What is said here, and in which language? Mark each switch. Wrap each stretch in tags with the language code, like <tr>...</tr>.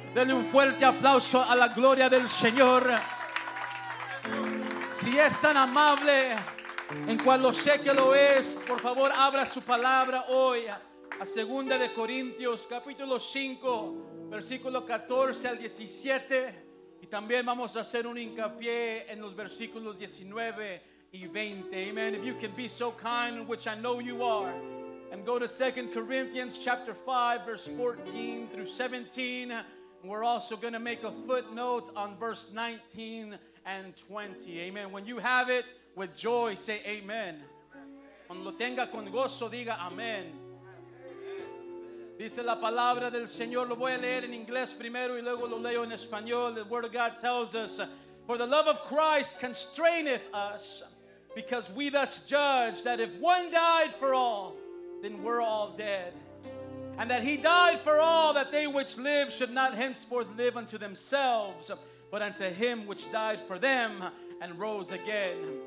<es>Denle un fuerte aplauso a la gloria del Señor. Si es tan amable, en cuanto sé que lo es, por favor abra su palabra hoy a 2 de Corintios capítulo 5 versículo 14 al 17, y también vamos a hacer un hincapié en los versículos 19 y 20.</es> <en>Amen. If you can be so kind, which I know you are, and go to 2 Corinthians chapter 5, verse 14 through 17. We're also going to make a footnote on verse 19 and 20. Amen. When you have it, with joy, say amen.</en> <es>Cuando lo tenga con gozo, diga amen. Dice la palabra del Señor. Lo voy a leer en inglés primero y luego lo leo en español.</es> <en>The word of God tells us, for the love of Christ constraineth us, because we thus judge that if one died for all, then we're all dead. And that he died for all, that they which live should not henceforth live unto themselves, but unto him which died for them and rose again.</en>